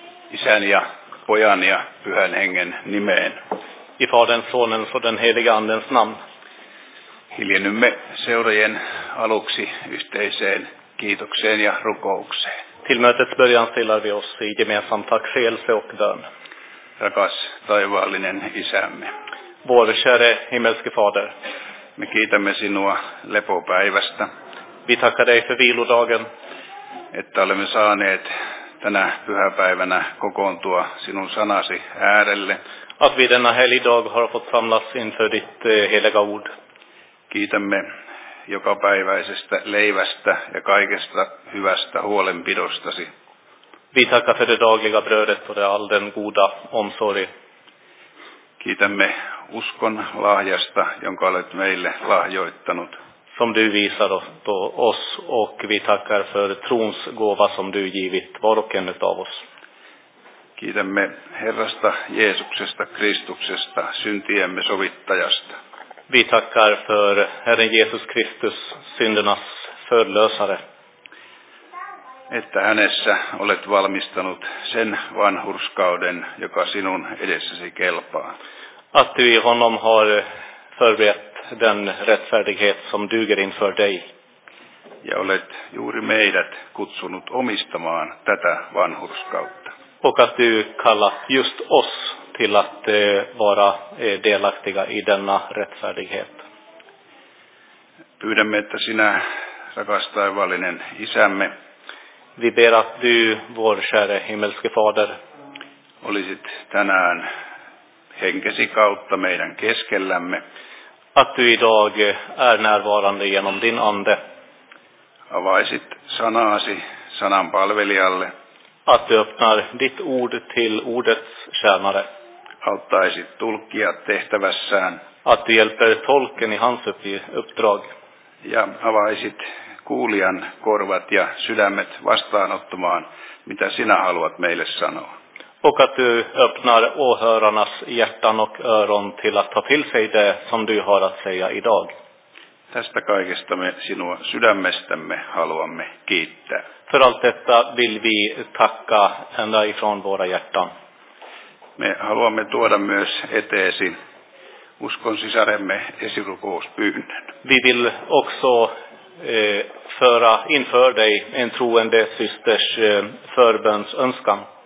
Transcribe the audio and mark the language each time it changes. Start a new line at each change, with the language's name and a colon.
Finnish: Isän ja pojan ja pyhän hengen nimeen.
Swedish: I Fadern, Sonen och den helige Andens namn.
Finnish: Hiljennymme seurajien aluksi yhteiseen kiitokseen ja rukoukseen.
Swedish: Till mötets början stillar vi oss i gemensam tacksägelse och bön.
Finnish: Rakas taivaallinen isämme.
Swedish: Vår käre himmelske fader.
Finnish: Me kiitämme sinua lepopäivästä.
Swedish: Vi tackar dig för vilodagen.
Finnish: Että olemme saaneet tänä pyhäpäivänä kokoontua sinun sanasi äärelle.
Swedish: Att vi denna helgdag har fått samlas inför ditt heliga ord.
Finnish: Kiitämme jokapäiväisestä leivästä ja kaikesta hyvästä huolenpidostasi.
Swedish: Vi tackar för det dagliga brödet och all den goda omsorg.
Finnish: Kiitämme uskon lahjasta, jonka olet meille lahjoittanut.
Swedish: Som du visar på oss och vi tackar för trons gåva som du givit var och en av oss.
Finnish: Kiitämme Herrasta Jeesuksesta Kristuksesta, syntiemme sovittajasta.
Swedish: Vi tackar för Herren Jesus Kristus, syndernas förlösare.
Finnish: Että hänessä olet valmistanut sen vanhurskauden, joka sinun edessäsi kelpaa.
Swedish: Att du i honom har förberett den rättfärdighet som duger inför dig.
Finnish: Ja olet juuri meidät kutsunut omistamaan tätä vanhurskautta.
Swedish: Och att du kallat just oss till att vara delaktiga i denna rättfärdighet.
Finnish: Pyydämme, että sinä, rakas taivaallinen isämme,
Swedish: vi ber att du, vår käre himmelske fader,
Finnish: olisit tänään henkesi kautta meidän keskellämme.
Swedish: Att du idag är närvarande genom din ande.
Finnish: Avaisit sanasi sanan palvelijalle.
Swedish: Att du öppnar ditt ord till ordets tjänare.
Finnish: Auttaisit tulkkia tehtävässään.
Swedish: Att du hjälper tolken i hans uppdrag.
Finnish: Ja avaisit kuulijan korvat ja sydämet vastaanottamaan, mitä sinä haluat meille sanoa.
Swedish: Och att du öppnar åhörarnas hjärtan och öron till att ta till sig det som du har att säga idag.
Finnish: Tästä kaikesta me sinua sydämestämme haluamme kiittää.
Swedish: För allt detta vill vi tacka ända ifrån våra hjärtan.
Finnish: Me haluamme tuoda myös eteesi uskon sisaremme esirukouspyynnön.
Swedish: Vi vill också föra inför dig en troende systers förbönsönskan.